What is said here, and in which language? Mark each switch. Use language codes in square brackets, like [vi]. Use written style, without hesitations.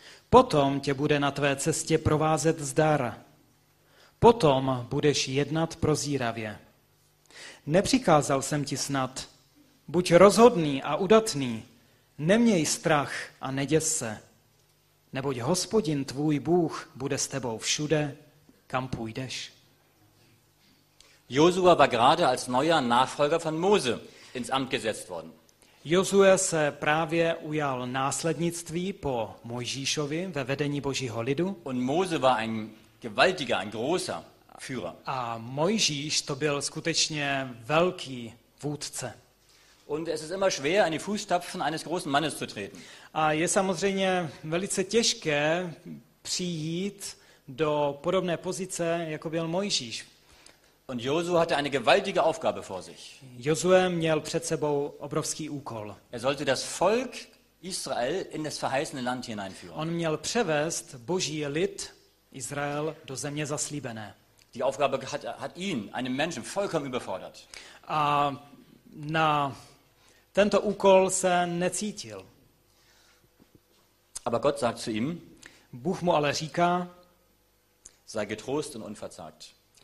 [cs] Potom tě bude na tvé cestě provázet zdar. Potom budeš jednat prozíravě. Nepřikázal jsem ti snad, buď rozhodný a udatný, neměj strach a neděs se, neboť Hospodin tvůj Bůh bude s tebou všude, kam půjdeš. [de] Josua war gerade als neuer Nachfolger von Mose ins Amt gesetzt worden. [cs] Josue se právě ujal následnictví po Mojžíšovi ve vedení Božího lidu. [de] Und Mose war ein gewaltiger, ein großer Führer. [cs] A Mojžíš to byl skutečně velký vůdce. [de] Und es ist immer schwer, in die Fußstapfen eines großen Mannes zu treten. [cs] A je samozřejmě velice těžké přijít do podobné pozice, jako byl Mojžíš. [de] Und Josua hatte eine gewaltige Aufgabe vor sich. [cs] Josue měl před sebou obrovský úkol. [de] Er sollte das Volk Israel in das verheißene Land hineinführen. [cs] On měl převést Boží lid Izrael do země zaslíbené. [de] Die Aufgabe hat ihn, einem Menschen, vollkommen überfordert. [cs] A na tento úkol se necítil. [de] Aber Gott sagt zu ihm, [cs] Bůh mu ale říká, [de] sei getrost und unverzagt.